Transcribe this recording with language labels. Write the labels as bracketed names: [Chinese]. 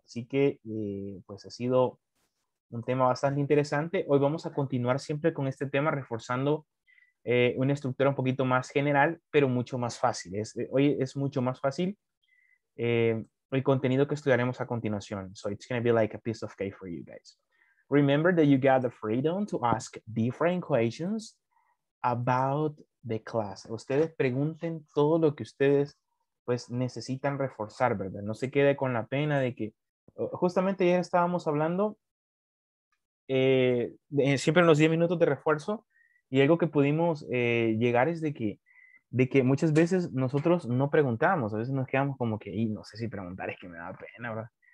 [Spanish] Así que, pues ha sido un tema bastante interesante. Hoy vamos a continuar siempre con este tema, reforzando una estructura un poquito más general, pero mucho más fácil. Hoy es mucho más fácil el contenido que estudiaremos a continuación. [English] So it's going to be like a piece of cake for you guys. Remember that you got the freedom to ask different questions about the class. [Spanish] Ustedes pregunten todo lo que ustedes pues necesitan reforzar, ¿verdad? No se quede con la pena de que... Justamente ya estábamos hablando siempre en los 10 minutos de refuerzo, y algo que pudimos llegar es de que muchas veces nosotros no preguntamos, a veces nos quedamos como que, no sé si preguntar, es que me da pena, ¿verdad?